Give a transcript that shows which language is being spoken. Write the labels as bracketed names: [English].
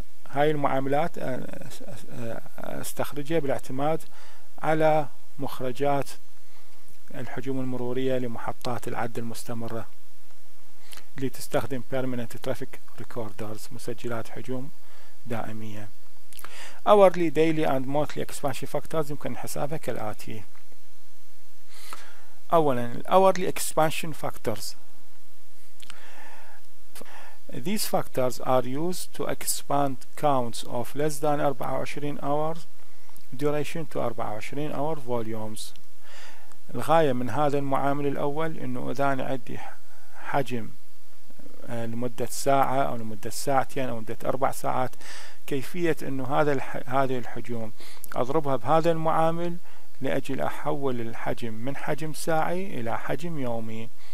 [Arabic] هاي المعاملات استخرجها بالاعتماد على مخرجات الحجوم المرورية لمحطات العد المستمرة اللي تستخدم [English] permanent traffic recorders [Arabic] مسجلات حجوم دائمية. [English] hourly, daily and monthly expansion factors [Arabic] يمكن حسابها كالآتي. أولا [English] hourly expansion factors. These factors are used to expand counts of less than 24 hours duration to 24 hour volumes. [Arabic] الغاية من هذا المعامل الأول إنه إذا أنا عندي حجم لمدة ساعة أو لمدة ساعتين أو لمدة أربع ساعات، كيفية إنه هذه الحجوم أضربها بهذا المعامل لأجل أحول الحجم من حجم ساعي إلى حجم يومي.